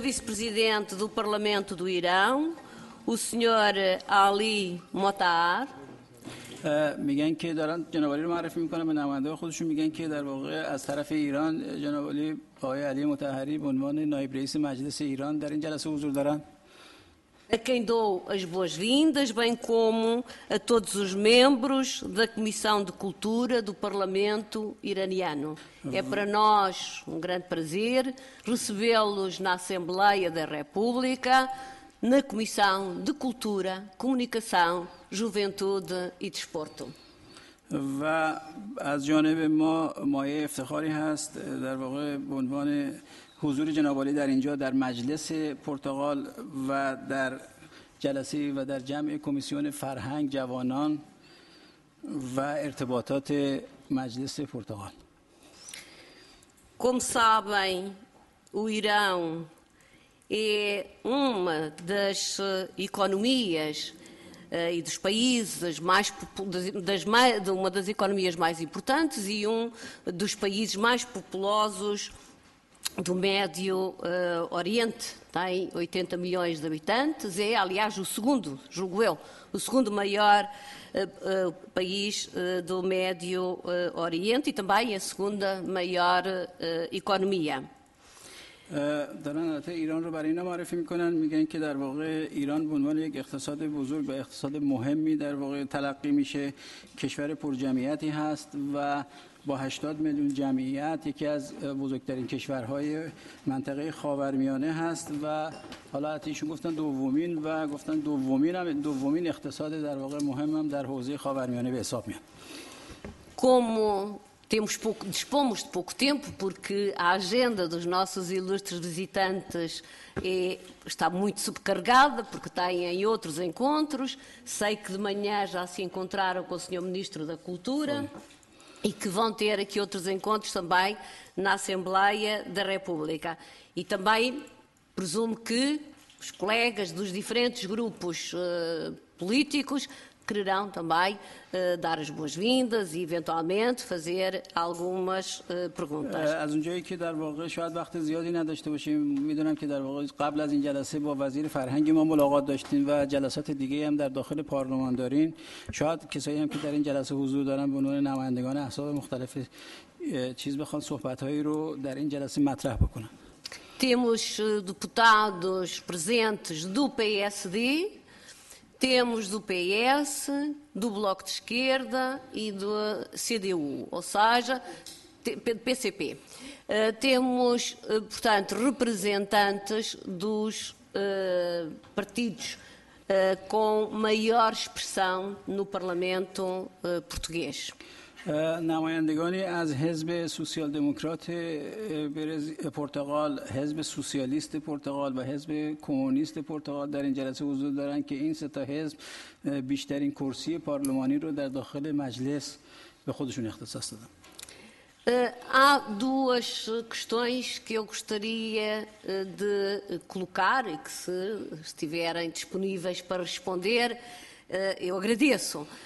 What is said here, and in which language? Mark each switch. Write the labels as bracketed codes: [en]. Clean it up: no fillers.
[pt] Vice-Presidente do Parlamento do Irão, o Sr. Ali Mottar. [fa] میگن که دارن جناب علی رو معرفی میکنن به نماینده خودشون میگن که در واقع از طرف ایران جناب علی آقای علی مطهری به عنوان نایب رئیس مجلس ایران در این جلسه حضور دارن. [pt] A quem dou as boas-vindas, bem como a todos os membros da Comissão de Cultura do Parlamento Iraniano. É para nós um grande prazer recebê-los na Assembleia da República, na Comissão de Cultura, Comunicação, Juventude e Desporto. [fa] و از جانب ما مایه افتخاری هست در واقع به عنوان حضور جناب علی در اینجا در مجلس پرتغال و در جلسه و در جمع کمیسیون فرهنگ جوانان و ارتباطات مجلس پرتغال. [pt] Como sabem, o Irão é uma das economias e dos países mais uma das economias mais importantes e um dos países mais populosos do Médio Oriente. Tem 80 milhões de habitantes, é aliás o segundo, julgo eu, o segundo maior país do Médio Oriente e também a segunda maior economia. [fa] دارن البته ایران رو برای اینا معرفی میکنن، میگن که در واقع ایران به عنوان یک اقتصاد بزرگ و اقتصاد مهمی در واقع تلقی میشه، کشور پر جمعیتی هست و با 80 میلیون جمعیت یکی از بزرگترین کشورهای منطقه خاورمیانه هست و حالا ایشون گفتن دومین و گفتن دومین هم دومین اقتصاد در واقع مهم هم در حوزه خاورمیانه به حساب میاد. [pt] کومو dispomos de pouco tempo, porque a agenda dos nossos ilustres visitantes está muito sobrecarregada, porque têm outros encontros. Sei que de manhã já se encontraram com o Sr. Ministro da Cultura. Foi. E que vão ter aqui outros encontros também na Assembleia da República. E também presumo que os colegas dos diferentes grupos políticos quererão também dar as boas-vindas e eventualmente fazer algumas perguntas. [fa] از اونجایی که در واقع شاید وقت زیادی نداشته باشیم، میدونم که در واقع قبل از این جلسه با وزیر فرهنگ ما ملاقات داشتین و جلسات دیگه هم در داخل پارلمان دارین، شاید کسایی هم که در این جلسه حضور دارن به عنوان نمایندگان احزاب مختلف چیز بخوان صحبت‌هایی رو در این جلسه مطرح بکنن. [pt] Temos deputados presentes do PSD. Temos do PS, do Bloco de Esquerda e do CDU, ou seja, do PCP. Temos, portanto, representantes dos partidos com maior expressão no Parlamento português. [fa] نمایندگانی از حزب سوسیال دموکرات پرتغال، حزب سوسیالیست پرتغال و حزب کمونیست پرتغال در این جلسه حضور دارند که این سه تا حزب بیشترین کرسی پارلمانی رو در داخل مجلس به خودشون اختصاص دادن. [pt] Há duas questões que eu gostaria de colocar e que se estiverem disponíveis para responder, eu agradeço.